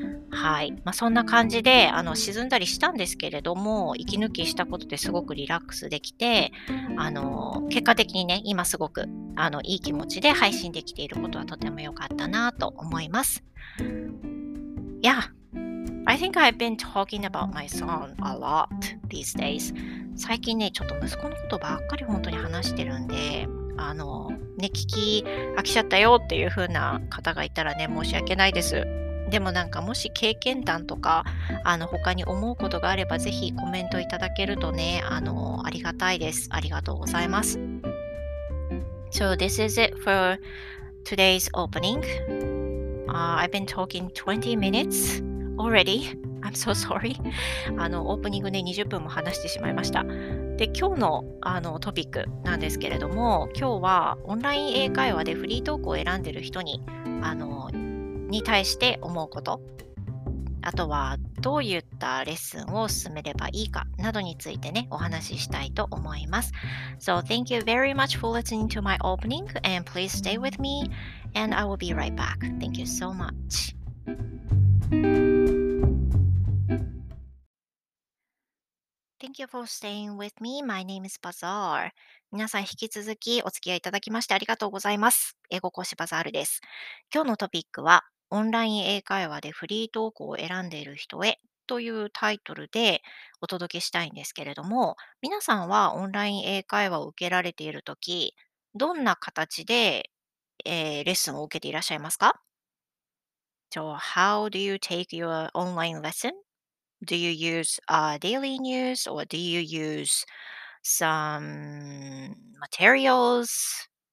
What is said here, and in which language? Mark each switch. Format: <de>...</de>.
<ja>はい、そんな感じで沈んだりしたんですけれども、息抜きしたことですごくリラックスできて、結果的にね、今すごくいい気持ちで配信できていることはとても良かったなと思います。 Yeah,</ja> <en>I think I've been talking about my son a lot these days.</en> <ja>最近ね、ちょっと息子のことばっかり本当に話してるんで、ね、聞き飽きちゃったよっていう風な方がいたらね、申し訳ないです。でもなんかもし経験談とか、他に思うことがあればぜひコメントいただけるとね、ありがたいです。ありがとうございます。</ja> <en>So this is it for today's opening. I've been talking 20 minutes already. I'm so sorry.</en> <ja>オープニングね、20分も話してしまいました。で、今日の、トピックなんですけれども、今日はオンライン英会話でフリートークを選んでる人に、に対して思うこと、あとはどういったレッスンを進めればいいかなどについてね、お話ししたいと思います。</ja> <en>So thank you very much for listening to my opening and please stay with me. And I will be right back. Thank you so much. Thank you for staying with me. My name is Bazaar.</en> <ja>皆さん引き続きお付き合いいただきましてありがとうございます。英語講師バザールです。今日のトピックはオンライン英会話でフリートークを選んでいる人へというタイトルでお届けしたいんですけれども、皆さんはオンライン英会話を受けられているとき、どんな形でレッスンを受けていらっしゃいますか?</ja> <en>So, how do you take your online lesson? Do you use daily news or do you use some materials?</en>